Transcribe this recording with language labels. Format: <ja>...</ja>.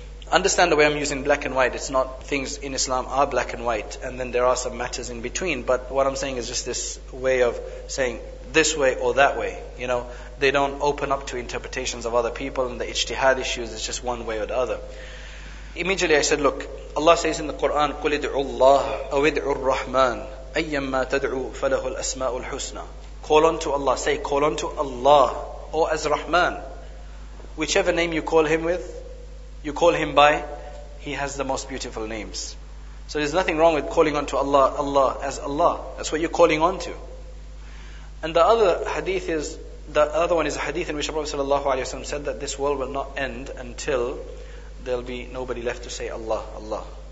<en>Understand the way I'm using black and white. It's not things in Islam are black and white, and then there are some matters in between. But what I'm saying is just this way of saying this way or that way. You know, they don't open up to interpretations of other people, and the ijtihad issues is just one way or the other. Immediately I said, look, Allah says in the Quran,</en> <ar>قُلِ ادْعُوا اللَّهَ أَوِ ادْعُوا الرَّحْمَنَ أَيَّمَّا تَدْعُوا فَلَهُ الْأَسْمَاءُ الْحُسْنَى.</ar> <en>Call on to Allah. Say, call on to Allah, or as Rahman. Whichever name you call Him with, you call Him by, He has the most beautiful names. So there's nothing wrong with calling on to Allah, Allah, as Allah. That's what you're calling on to. And the other hadith is, the other one is a hadith in which Prophet ﷺ said that this world will not end until there'll be nobody left to say Allah, Allah.</en>